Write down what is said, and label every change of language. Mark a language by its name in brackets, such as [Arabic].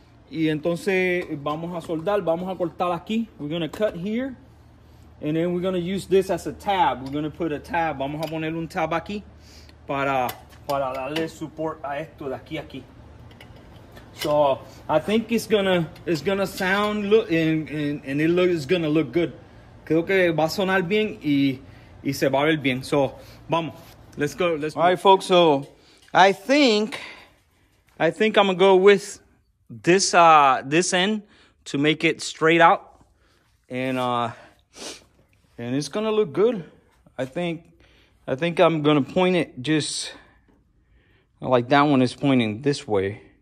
[Spanish] Y entonces vamos a soldar, vamos a cortar aquí. [English] We're going to cut here. And then we're going to use this as a tab. We're going to put a tab. [Spanish] Vamos a poner un tab aquí para darle support a esto de aquí a aquí. [English] So I think it's gonna sound look and it look, it's gonna look good. [Spanish] Creo que va a sonar bien y se va a ver bien. [English] So vamos, let's go. Let's all move. Right, folks. So I think I'm gonna go with this this end to make it straight out, and it's gonna look good. I think I'm gonna point it just like that one is pointing this way.